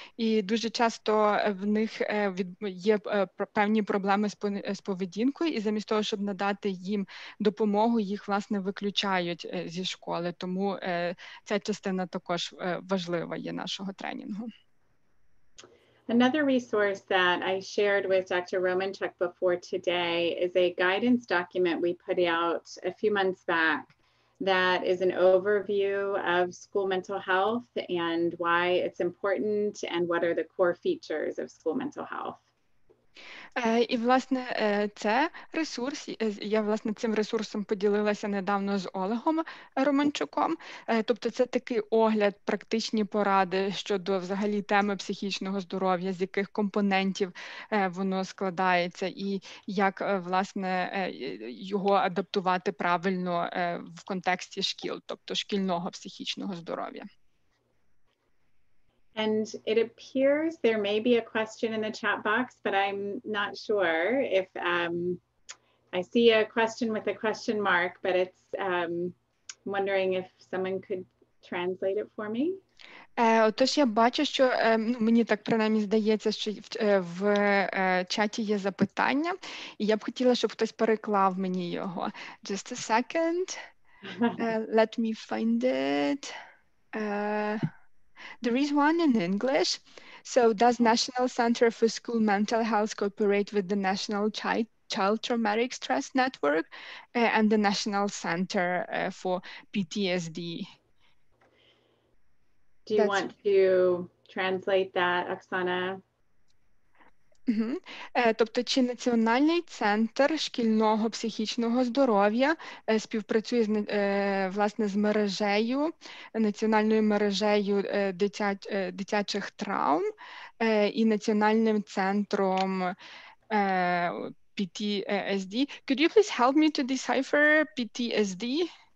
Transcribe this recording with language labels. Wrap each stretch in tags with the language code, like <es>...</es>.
<uk>І дуже часто в них є певні проблеми з поведінкою. І замість того, щоб надати їм допомогу, їх, власне, виключають зі школи. Тому ця частина також важлива є нашого тренінгу.</uk> <en>Another resource that I shared with Dr. Romanchuk before today is a guidance document we put out a few months back that is an overview of school mental health and why it's important and what are the core features of school mental health.</en> <uk>І, власне, це ресурс, я, власне, цим ресурсом поділилася недавно з Олегом Романчуком. Тобто це такий огляд, практичні поради щодо взагалі теми психічного здоров'я, з яких компонентів воно складається і як, власне, його адаптувати правильно в контексті шкіл, тобто шкільного психічного здоров'я.</uk> <en>And it appears there may be a question in the chat box, but I'm not sure if I see a question with a question mark, but it's wondering if someone could translate it for me.</en> <uk>Отож, я бачу, що мені так принаймні здається, що в чаті є запитання, і я б хотіла, щоб хтось переклав мені його.</uk> <en>Just a second. Let me find it. There is one in English. So does National Center for School Mental Health cooperate with the National Child Traumatic Stress Network and the National Center for PTSD? Do you want to translate that, Оксана? Mm-hmm.</en> <uk>Тобто, чи Національний центр шкільного психічного здоров'я співпрацює власне з мережею, національною мережею дитячих травм і Національним центром PTSD?</uk> <en>Could you please help me to decipher PTSD?</en>